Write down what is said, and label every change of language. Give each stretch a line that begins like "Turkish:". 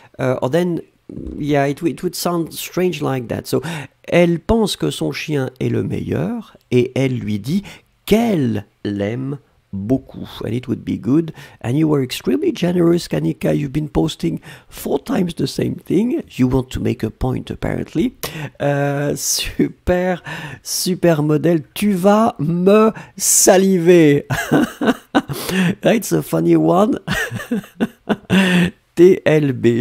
English: Or then, yeah, it would sound strange like that.
French: So, elle pense que son chien est le meilleur et elle lui dit qu'elle l'aime beaucoup.
English: And it would be good. And you were extremely generous, Kanika. You've been posting four times the same thing. You want to make a point, apparently. Super, super modèle.
French: Tu vas me saliver.
English: It's a funny one. TLB.